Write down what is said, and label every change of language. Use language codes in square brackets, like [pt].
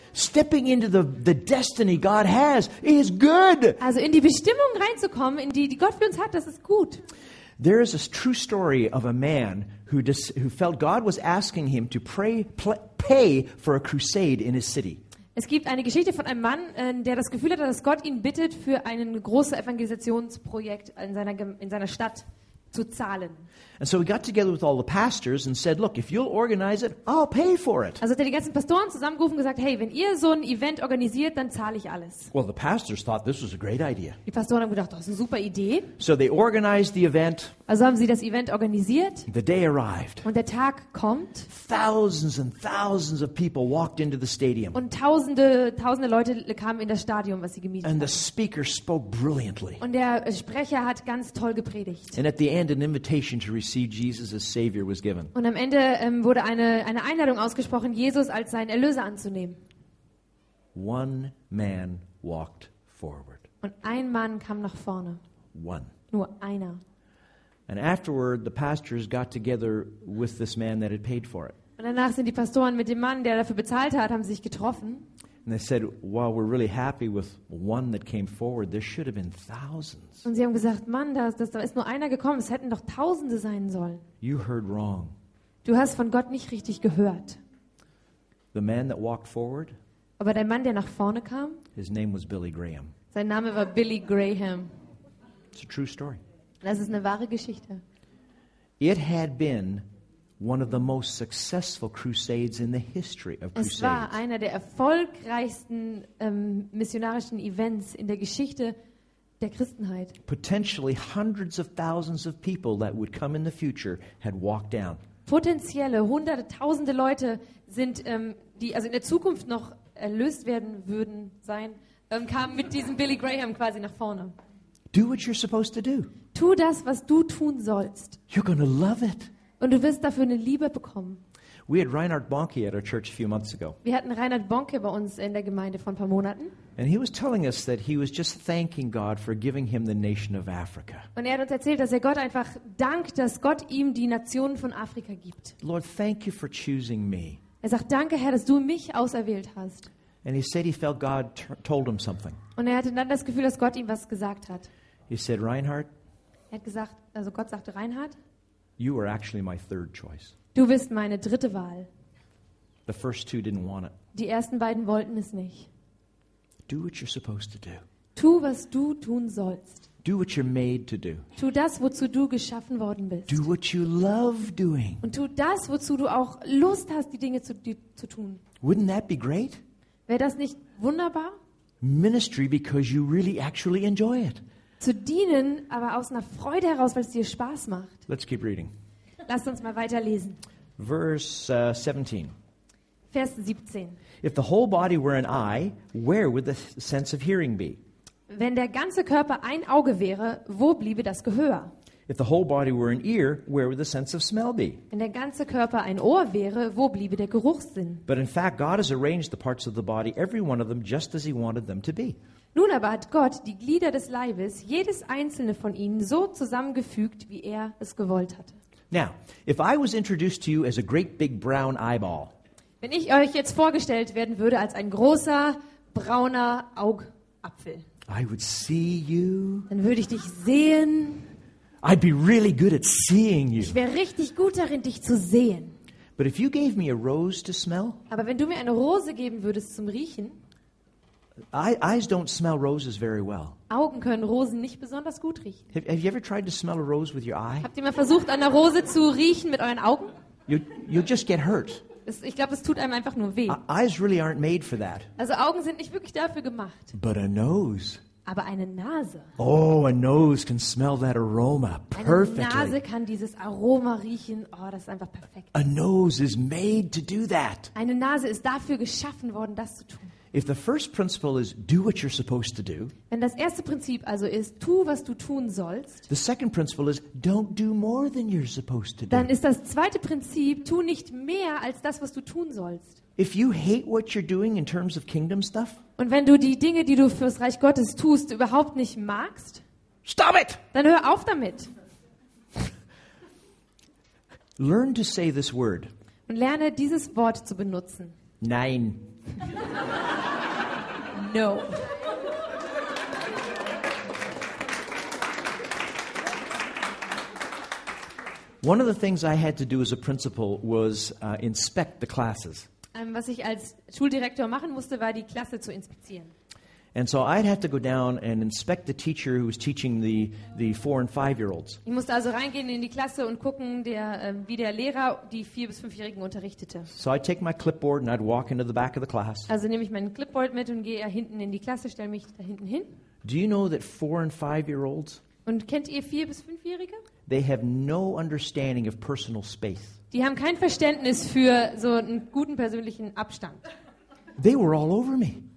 [en] Stepping into the destiny God has is good. [de] Also in die Bestimmung reinzukommen, in die Gott für uns hat, das ist gut. [en] There is a true story of a man who felt God was asking him to pay for a crusade in his city. [de] Es gibt eine Geschichte von einem Mann, der das Gefühl hatte, dass Gott ihn bittet, für ein großes Evangelisationsprojekt in seiner Stadt zu zahlen. [en] And so he got together with all the pastors and said, "Look, if you'll organize it, I'll pay for it." [de] Also hat er die ganzen Pastoren zusammengerufen und gesagt, "Hey, wenn ihr so ein Event organisiert, dann zahle ich alles." [en] Well, the pastors thought this was a great idea. [de] Die Pastoren haben gedacht, das ist eine super Idee. [en] So they organized the event. [de] Also haben sie das Event organisiert. [en] The day arrived. [de] Und der Tag kommt. [en] Thousands and thousands of people walked into the stadium. [de] Und tausende Leute kamen in das Stadion, was sie gemietet haben. [en] And the speaker spoke brilliantly. [de] Und der Sprecher hat ganz toll gepredigt. [en] And at the end, an invitation to receive Jesus as Savior was given. [de] Und am Ende wurde eine Einladung ausgesprochen, Jesus als seinen Erlöser anzunehmen. [en] One man walked forward. [de] Und ein Mann kam nach vorne. [en] One. [de] Nur einer. [en] And afterward, the pastors got together with this man that had paid for it. [de] Und danach sind die Pastoren mit dem Mann, der dafür bezahlt hat, haben sich getroffen. [en] And they said, "While we're really happy with one that came forward, there should have been thousands." [de] Und sie haben gesagt, "Mann, da ist nur einer gekommen. Es hätten doch Tausende sein sollen." [en] You heard wrong. [de] Du hast von Gott nicht richtig gehört. [en] The man that walked forward. [de] Aber der Mann, der nach vorne kam. [en] His name was Billy Graham. [de] Sein Name war Billy Graham. [en] It's a true story. [de] Das ist eine wahre Geschichte. [en] It had been one of the most successful crusades in the history of crusades. [de] Es war einer der erfolgreichsten missionarischen Events in der Geschichte der Christenheit. [en] Potentially hundreds of thousands of people that would come in the future had walked down. [de] Potenzielle hunderte tausende Leute sind die also in der Zukunft noch erlöst werden würden sein, kamen mit diesem Billy Graham quasi nach vorne. [en] Do what you're supposed to do. [de] Tu das, was du tun sollst. [en] You're going to love it. [de] Und du wirst dafür eine Liebe bekommen. [en] We had Reinhard Bonnke at our church a few months ago. [de] Wir hatten Reinhard Bonnke bei uns in der Gemeinde vor ein paar Monaten. [en] And he was telling us that he was just thanking God for giving him the nation of Africa. [de] Und er hat uns erzählt, dass er Gott einfach dankt, dass Gott ihm die Nation von Afrika gibt. [en] Lord, thank you for choosing me. [de] Er sagt: Danke, Herr, dass du mich auserwählt hast. [en] And he said he felt God told him something. [de] Und er hatte dann das Gefühl, dass Gott ihm was gesagt hat. [en] He said, Reinhard. [de] Er hat gesagt, also Gott sagte: Reinhard. [en] You were actually my third choice. [de] Du bist meine dritte Wahl. [en] The first two didn't want it. [de] Die ersten beiden wollten es nicht. [en] Do what you're supposed to do. [de] Tu, was du tun sollst. [en] Do what you're made to do. [de] Tu das, wozu du geschaffen worden bist. [en] Do what you love doing. [de] Und tu das, wozu du auch Lust hast, die Dinge zu tun. [en] Wouldn't that be great? [de] Wäre das nicht wunderbar? [en] Ministry because you really actually enjoy it. [de] Zu dienen, aber aus einer Freude heraus, weil es dir Spaß macht. [en] Let's keep reading. [de] Lasst uns mal weiterlesen. [en] Verse 17. [de] Vers 17. [en] If the whole body were an eye, where would the sense of hearing be? [de] Wenn der ganze Körper ein Auge wäre, wo bliebe das Gehör? [en] If the whole body were an ear, where would the sense of smell be? [de] Wenn der ganze Körper ein Ohr wäre, wo bliebe der Geruchssinn? [en] But in fact, God has arranged the parts of the body, every one of them, just as he wanted them to be. [de] Nun aber hat Gott die Glieder des Leibes, jedes einzelne von ihnen, so zusammengefügt, wie er es gewollt hatte. [en] Now, if I was introduced to you as a great big brown eyeball. [de] Wenn ich euch jetzt vorgestellt werden würde als ein großer brauner Augapfel. [en] I would see you. [de] Dann würde ich dich sehen. [en] I'd be really good at seeing you. [de] Ich wäre richtig gut darin, dich zu sehen. [en] But if you gave me a rose to smell? [de] Aber wenn du mir eine Rose geben würdest zum Riechen? [en] Eyes don't smell roses very well. [de] Augen können Rosen nicht besonders gut riechen. [en] Have you ever tried to smell a rose with your eye? [de] Habt ihr mal versucht, an einer Rose zu riechen mit euren Augen? [en] You'll just get hurt. [de] Ich glaube, es tut einem einfach nur weh. [en] Eyes really aren't made for that. [de] Also Augen sind nicht wirklich dafür gemacht. [en] But a nose. [de] Aber eine Nase. [en] Oh, a nose can smell that aroma perfectly. [de] Eine Nase kann dieses Aroma riechen. Oh, das ist einfach perfekt. [en] A nose is made to do that. [de] Eine Nase ist dafür geschaffen worden, das zu tun. [en] If the first principle is do what you're supposed to do. [de] Wenn das erste Prinzip also ist, tu, was du tun sollst. [en] The second principle is don't do more than you're supposed to do. [de] Dann ist das zweite Prinzip, tu nicht mehr als das, was du tun sollst. [en] If you hate what you're doing in terms of kingdom stuff. [de] Und wenn du die Dinge, die du fürs Reich Gottes tust, überhaupt nicht magst. [en] Stop it. [de] Dann hör auf damit. [en] Learn to say this word. [de] Und lerne dieses Wort zu benutzen. Nein. [en] No. One of the things I had to do as a principal was inspect the classes. [de] Was ich als Schuldirektor machen musste, war die Klasse zu inspizieren. [en] And so I'd have to go down and inspect the teacher who was teaching the 4- and 5-year-olds. [de] Ich musste also reingehen in die Klasse und gucken, wie der Lehrer die 4- bis 5-Jährigen unterrichtete. [en] So I take my clipboard and I'd walk into the back of the class. [de] Also nehme ich mein Clipboard mit und gehe hinten in die Klasse, stelle mich da hinten hin. [en] Do you know that 4- and 5-year-olds? [de] Und kennt ihr 4- bis 5-Jährige? [en] They have no understanding of personal space. [de] Die haben kein Verständnis für so einen guten persönlichen Abstand. [en] They were all over me.